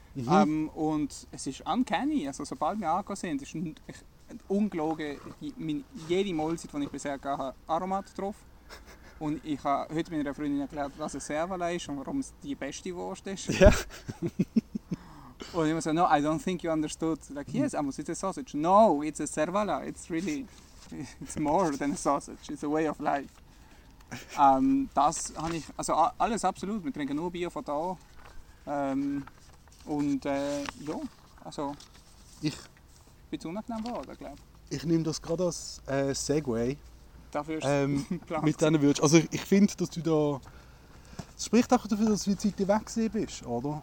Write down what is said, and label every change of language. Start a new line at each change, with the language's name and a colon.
German: Mhm. Und es ist uncanny. Also sobald wir angekommen sind, ist ungelogen, jede Mahlzeit, die ich bisher gehabt habe, Aromat drauf. Und ich habe heute meiner Freundin erklärt, was ein Servale ist und warum es die beste Wurst ist. Ja. Und ich habe gesagt,
English: no, I don't think you understood. Like, yes, almost it's a sausage. No, it's a Servale. It's really, it's more than a sausage. It's a way of life.
German: Das habe ich, also alles absolut. Wir trinken nur Bier von da. Ich bin zu unangenehm geworden, glaube ich. Ich nehme das gerade als Segway. Dafür mit deinen Würsch. Also ich finde, dass du da spricht auch dafür, dass du eine Zeit weg bist, oder?